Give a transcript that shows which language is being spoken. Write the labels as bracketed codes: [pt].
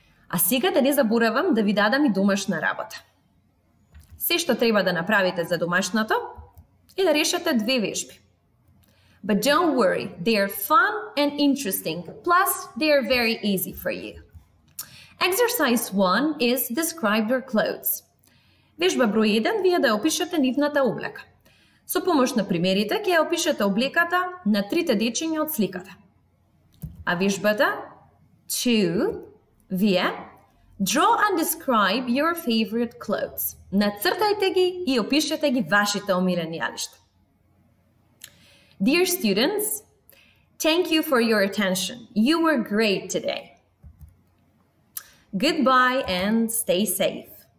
[mk] А сега да не заборавам да ви дадам и домашна работа. Се што треба да направите за домашното е да решите две вежби. [en] But don't worry, they are fun and interesting, plus they are very easy for you. Exercise 1 is describe your clothes. [mk] Вежба број 1 ви е да опишете нивната облека. Со помош на примерите ќе ја опишете облеката на трите дечиња од сликата. А вежбата 2 ви е draw and describe your favorite clothes. Нацртајте ги и опишете ги вашите омилени јалишта. [en] Dear students, thank you for your attention. You were great today. Goodbye and stay safe.